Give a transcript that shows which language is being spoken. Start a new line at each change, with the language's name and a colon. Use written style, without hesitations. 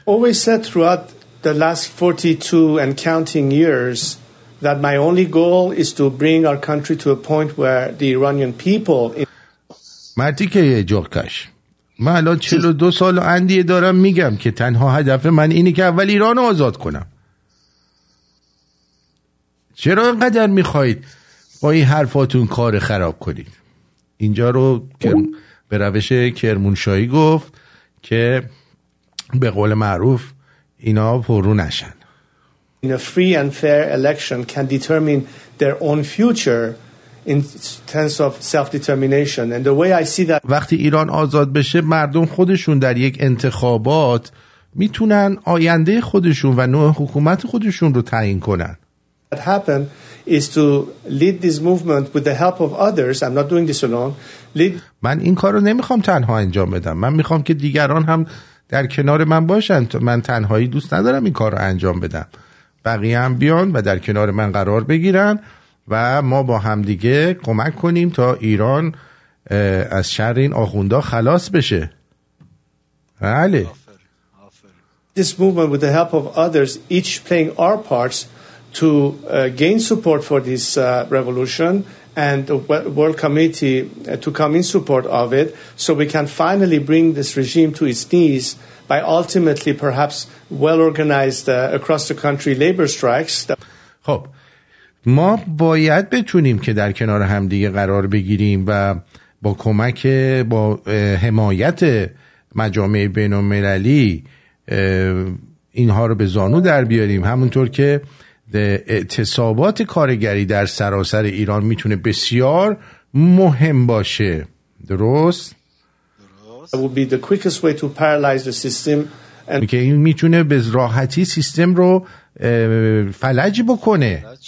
English: Always said throughout the last 42 and counting years that my only goal is to bring our country to a point where the Iranian people in...
Persian: مردی که یه جغ کش، من الان 42 سال اندیه دارم میگم که تنها هدف من اینه که اول ایران رو آزاد کنم. چرا اینقدر میخواید با این حرفاتون کار خراب کنید؟ اینجا رو به روش کرمونشاهی گفت که به قول معروف اینا فرو نشن.
English: In a free and fair election can determine their own future in terms of self-determination. And the way I see that...
Persian: وقتی ایران آزاد بشه مردم خودشون در یک انتخابات میتونن آینده خودشون و نوع حکومت خودشون رو تعیین کنن.
English: What happened is to lead this movement with the help of others. I'm not doing this alone.
Persian: من این کار رو نمیخوام تنها انجام بدم. من میخوام که دیگران هم در کنار من باشن. من تنهایی دوست ندارم این کار رو انجام بدم. بقیه هم بیان و در کنار من قرار بگیرن و ما با همدیگه کمک کنیم تا ایران از شر این آخوندها خلاص بشه. بله.
English: This movement with the help of others, each playing our parts, to gain support for this revolution and the world community to come in support of it, so we can finally bring this regime to its knees by ultimately perhaps well-organized across the country labor strikes.
Persian: خب ما باید بتونیم که در کنار هم دیگه قرار بگیریم و با کمک با حمایت مجامع بین المللی اینها رو به زانو در بیاریم، همونطور که اعتصابات کارگری در سراسر ایران میتونه بسیار مهم باشه. درست؟
English: That would be the quickest way to paralyze the system and...
Persian: که این میتونه به راحتی سیستم رو فلج بکنه.